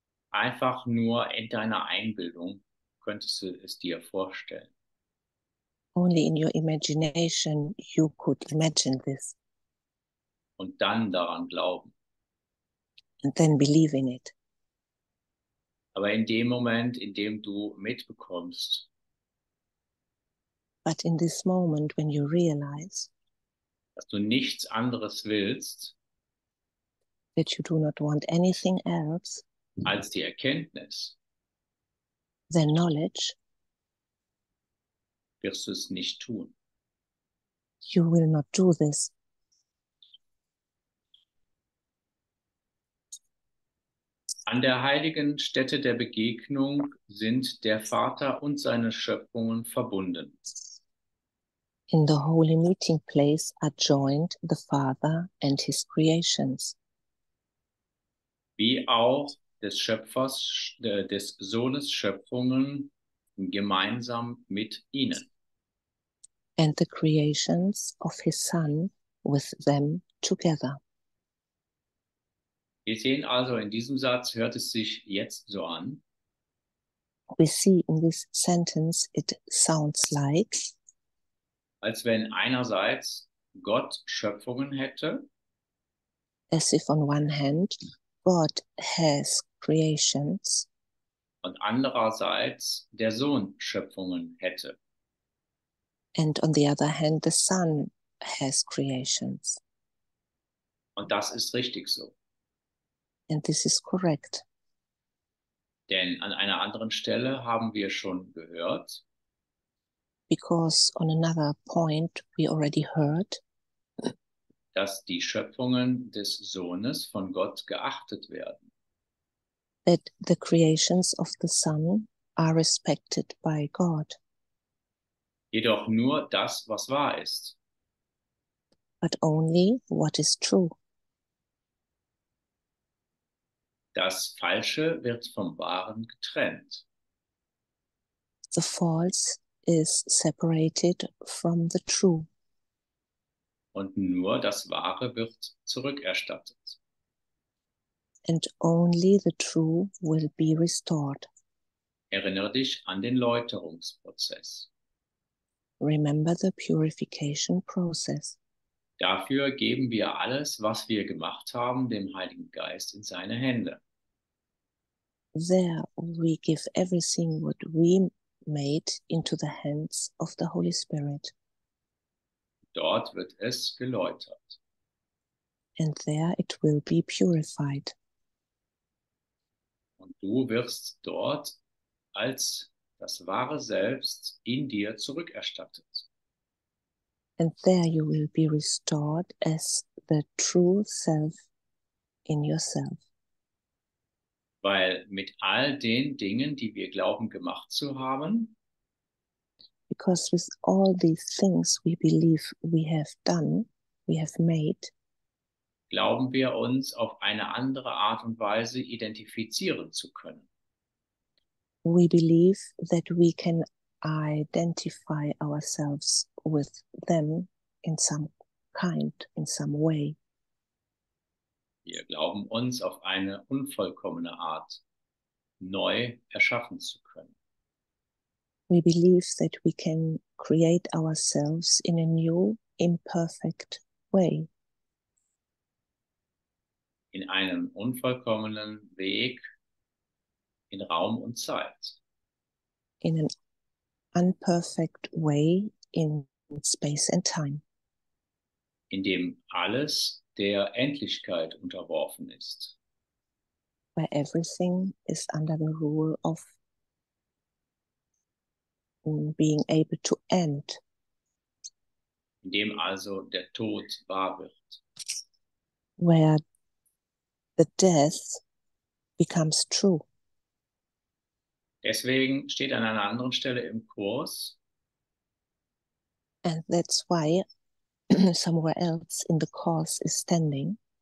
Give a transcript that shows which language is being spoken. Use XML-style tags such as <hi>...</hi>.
<de>Einfach nur in deiner Einbildung könntest du es dir vorstellen.</de> <en>Only in your imagination you could imagine this.</en> <de>Und dann daran glauben.</de> <en>And then believe in it.</en> <de>Aber in dem Moment, in dem du mitbekommst,</de> <en>but in this moment when you realize,</en> <de>dass du nichts anderes willst,</de> <en>that you do not want anything else,</en> <de>als die Erkenntnis,</de> <en>the knowledge,</en> <de>wirst du es nicht tun.</de> <en>You will not do this.</en> <de>An der heiligen Stätte der Begegnung sind der Vater und seine Schöpfungen verbunden.</de> <en>In the holy meeting place are joined the Father and his creations.</en> <de>Wie auch des Schöpfers, des Sohnes Schöpfungen gemeinsam mit ihnen.</de> <en>And the creations of his Son with them together.</en> <de>Wir sehen also in diesem Satz, hört es sich jetzt so an.</de> <en>We see in this sentence, it sounds like,</en> <de>als wenn einerseits Gott Schöpfungen hätte.</de> <en>As if on one hand, God has creations.</en> <de>Und andererseits der Sohn Schöpfungen hätte.</de> <en>And on the other hand, the Son has creations.</en> <de>Und das ist richtig so.</de> <en>And this is correct.</en> <de>Denn an einer anderen Stelle haben wir schon gehört.</de> <en>Because on another point we already heard,</en> <de>dass die Schöpfungen des Sohnes von Gott geachtet werden.</de> <en>That the creations of the Son are respected by God.</en> <de>Jedoch nur das, was wahr ist.</de> <en>But only what is true.</en> <de>Das Falsche wird vom Wahren getrennt.</de> <en>The false is separated from the true.</en> <de>Und nur das Wahre wird zurückerstattet.</de> <en>And only the true will be restored.</en> <de>Erinnere dich an den Läuterungsprozess.</de> <en>Remember the purification process.</en> <de>Dafür geben wir alles, was wir gemacht haben, dem Heiligen Geist in seine Hände.</de> <en>There we give everything what we made into the hands of the Holy Spirit.</en> <de>Dort wird es geläutert.</de> <en>And there it will be purified.</en> <de>Und du wirst dort als das wahre Selbst in dir zurückerstattet.</de> <en>And there you will be restored as the true self in yourself.</en> <de>Weil mit all den Dingen, die wir glauben gemacht zu haben,</de> <en>because with all these things we believe we have done, we have made,</en> <de>glauben wir uns auf eine andere Art und Weise identifizieren zu können.</de> <en>We believe that we can identify ourselves with them in some kind, in some way.</en> <de>Wir glauben uns auf eine unvollkommene Art neu erschaffen zu können.</de> <en>We believe that we can create ourselves in a new, imperfect way.</en> <de>In einem unvollkommenen Weg in Raum und Zeit.</de> <en>In an unperfect way in space and time.</en> <de>In dem alles der Endlichkeit unterworfen ist.</de> <en>Where everything is under the rule of being able to end.</en> <de>In dem also der Tod wahr wird.</de> <en>Where the death becomes true.</en> <de>Deswegen steht an einer anderen Stelle im Kurs.</de> <en>And that's why somewhere else in the course is standing.</en>